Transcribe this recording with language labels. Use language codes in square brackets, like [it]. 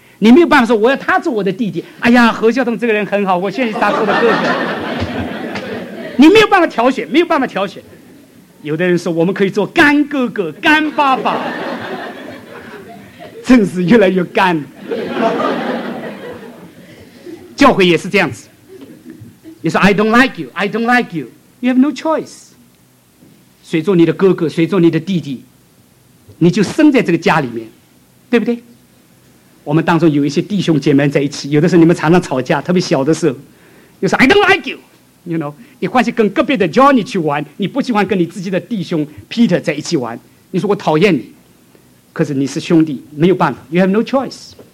[zh] 你没有办法说我要他做我的弟弟，哎呀何孝东这个人很好，我现在是他做的哥哥。你没有办法挑选，没有办法挑选。有的人说我们可以做干哥哥干爸爸，真是越来越干。教会也是这样子，你说 [en] I don't like you， I don't like you， You have no choice。 [zh] 谁做你的哥哥，谁做你的弟弟，你就生在这个家里面，对不对？我们当中有一些弟兄姐妹在一起，有的时候你们常常吵架，特别小的时候你说 [en] I don't like you， you know， [zh] 你欢喜跟隔壁的 Johnny 去玩，你不喜欢跟你自己的弟兄 Peter 在一起玩，你说我讨厌你，可是你是兄弟，没有办法， [en] You have no choice。